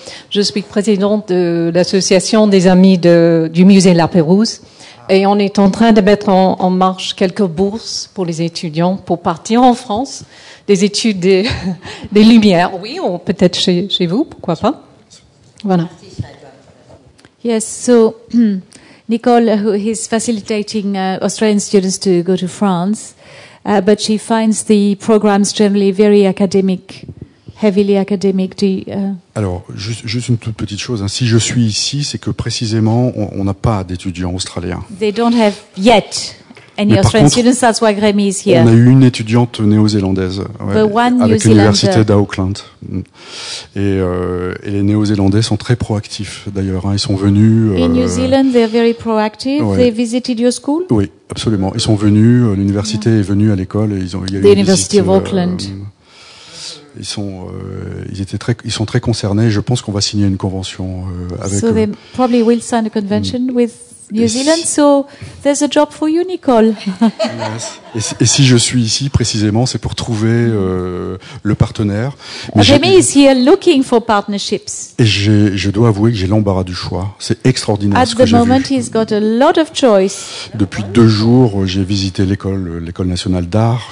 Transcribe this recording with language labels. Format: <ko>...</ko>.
<fr>Je suis présidente de l'association des amis du musée La Pérouse. Et on est en train de mettre en marche quelques bourses pour les étudiants pour partir en France. Des études des Lumières, oui, ou peut-être chez vous, pourquoi pas. Voilà.</fr> <en>Yes, so Nicole, who is facilitating Australian students to go to France, but she finds the programs generally very academic, heavily academic.</en> <fr>Alors, juste une toute petite chose. Si je suis ici, c'est que précisément, on n'a pas d'étudiants australiens.</fr> <en>They don't have yet any Australian students. That's why Grémy is here.</en> <fr>On a eu une étudiante néo-zélandaise, avec l'université d'Auckland. Et, et les néo-zélandais sont très proactifs, d'ailleurs. Ils sont venus.</fr> <en>In New Zealand, they're very proactive. Ouais. They visited your school.</en> <fr>Oui, absolument. Ils sont venus. L'université est venue à l'école et ils ont.</fr> <en>The University of Auckland.</en> <fr>Ils sont très concernés. Je pense qu'on va signer une convention avec eux.</fr> <en>So they probably will sign a convention with New Zealand. So there's a job for you, Nicole. Yes.</en> <fr>Et si je suis ici précisément, c'est pour trouver le partenaire.</fr> <en>Jamie is here looking for partnerships.</en> <fr>Et je dois avouer que j'ai l'embarras du choix. C'est extraordinaire ce que j'ai vu.</fr> <en>At the moment, he's got a lot of choice.</en> <fr>Depuis deux jours, j'ai visité l'école nationale d'art.</fr>